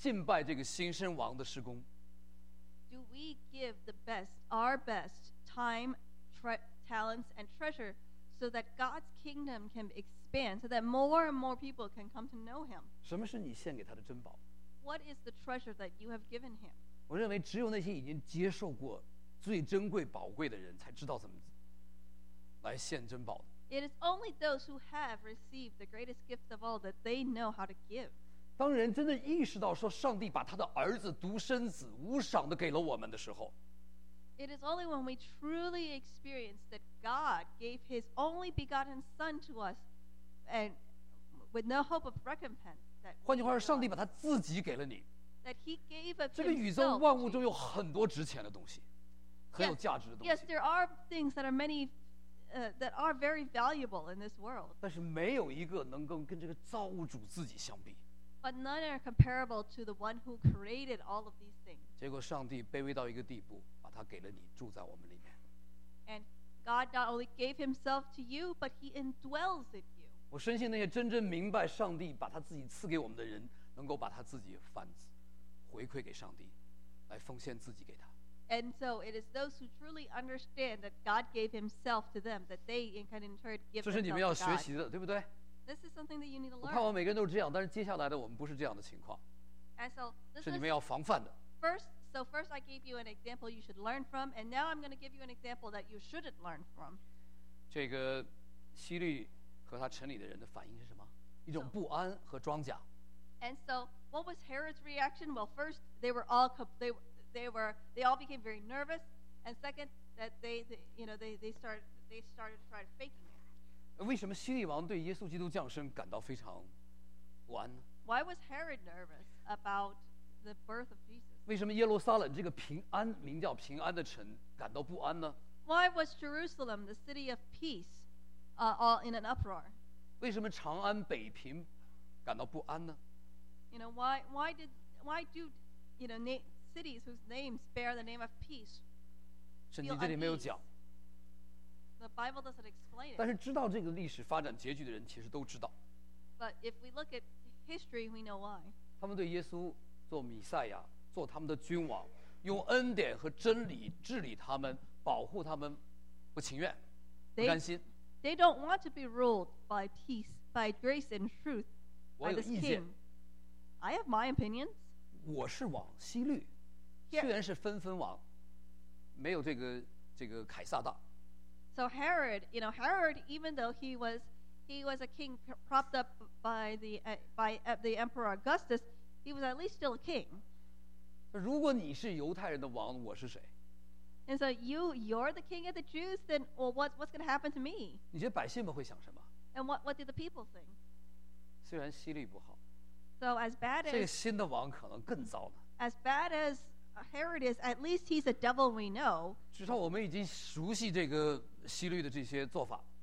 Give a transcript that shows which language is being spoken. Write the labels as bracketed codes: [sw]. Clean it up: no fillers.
[zh] 换句话说，我们是不是把最好的、我们最好的时间、最好的精力、更多的金钱，能够献给上帝，来扩展人敬拜这个新生王的事工？ [en] Do we give the best, our best time, talents, and treasure, so that God's kingdom can expand, so that more and more people can come to know Him? [zh] 什么是你献给他的珍宝？ [en] What is the treasure that you have given Him? [zh] 我认为只有那些已经接受过最珍贵宝贵的人才知道怎么来献珍宝。 [en] It is only those who have received the greatest gift of all that they know how to give. [zh] 当人真的意识到说上帝把他的儿子独生子无赏地给了我们的时候, [en] It is only when we truly experience that God gave His only begotten Son to us and with no hope of recompense that [zh] 换句话说，上帝把他自己给了你。 [en] That he gave of [zh] 这个宇宙万物中有很多值钱的东西, 很有价值的东西。 [en] Yes, there are things that are many, that are very valuable in this world. [zh] 但是没有一个能够跟这个造物主自己相比。 [en] But none are comparable to the one who created all of these things. [zh] 结果上帝卑微到一个地步, 把他给了你, 住在我们里面。 [en] And God not only gave himself to you, but he indwells in you. [zh] 我深信那些真正明白上帝把他自己赐给我们的人，能够把他自己反回馈给上帝，来奉献自己给他。 [en] And so it is those who truly understand that God gave Himself to them, that they can in turn give. [zh] 这是你们要学习的，对不对？ [en] This is something that you need to learn. [zh] 我盼望每个人都是这样，但是接下来的我们不是这样的情况。 [en] And so this [zh] 是你们要防范的。 [en] First, I gave you an example you should learn from, and now I'm going to give you an example that you shouldn't learn from. [zh] 这个希律和他城里的人的反应是什么？一种不安和装甲。 [en] And so, what was Herod's reaction? Well, first, they all became very nervous, and second, that they started trying to faking it. [zh] 为什么希律王对耶稣基督降生感到非常不安呢？ [en] Why was Herod nervous about the birth of Jesus? [zh] 为什么耶路撒冷这个平安名叫平安的城感到不安呢？ [en] Why was Jerusalem, the city of peace, all in an uproar? [zh] 为什么长安北平感到不安呢？ [en] You know, cities whose names bear the name of peace. [zh] 圣经这里没有讲。 [en] The Bible doesn't explain it. [zh] 但是知道这个历史发展结局的人其实都知道。 [en] But if we look at history, we know why. [zh] 他们对耶稣做弥赛亚，做他们的君王，用恩典和真理治理他们，保护他们，不情愿，不甘心。 [en] They don't want to be ruled by peace, by grace and truth, by this king. I have my opinions. [zh] 我是王，希律虽然是分封王，没有这个凯撒大。 [en] So Herod, you know, Herod, even though he was a king propped up by the emperor Augustus, he was at least still a king. [zh] 如果你是犹太人的王，我是谁？ [en] And so you're the king of the Jews, then well, what's going to happen to me? [zh] 你觉得百姓们会想什么？ [en] And what do the people think? [zh] 虽然希律不好。 [en] So as bad as [zh] 这个新的王可能更糟了。 [en] As bad as Herod is, at least he's a devil we know. [zh] 至少我们已经熟悉这个希律的这些做法。